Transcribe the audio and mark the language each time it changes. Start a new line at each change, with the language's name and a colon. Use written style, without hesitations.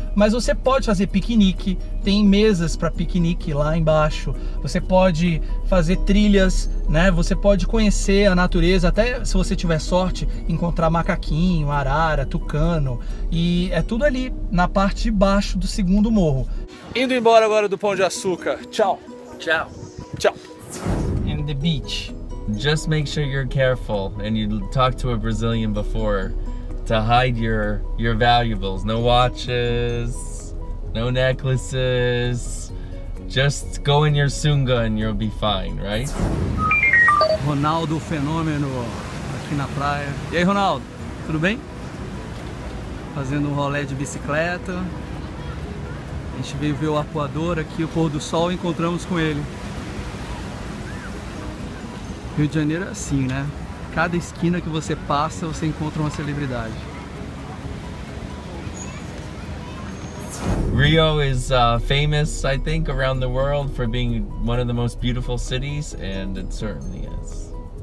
Portuguese: Mas você pode fazer piquenique, tem mesas para piquenique lá embaixo, você pode fazer trilhas, né, você pode conhecer a natureza, até se você tiver sorte, encontrar macaquinho, arara, tucano, e é tudo ali, na parte de baixo do segundo morro. Indo embora agora do Pão de Açúcar, tchau! Tchau! Tchau!
English: And the beach. Just make sure you're careful and you talk to a Brazilian before to hide your valuables. No watches, no necklaces. Just go in your sunga and you'll be fine, right?
Portuguese: Ronaldo Fenômeno aqui na praia. E aí, Ronaldo? Tudo bem? Fazendo um rolê de bicicleta. A gente veio ver o arpoador aqui, o pôr do sol, e encontramos com ele. Rio de Janeiro é assim, né? Cada esquina que você passa, você encontra uma celebridade.
English: Rio is famous, I think, around the world for being one of the most beautiful cities, and it certainly is.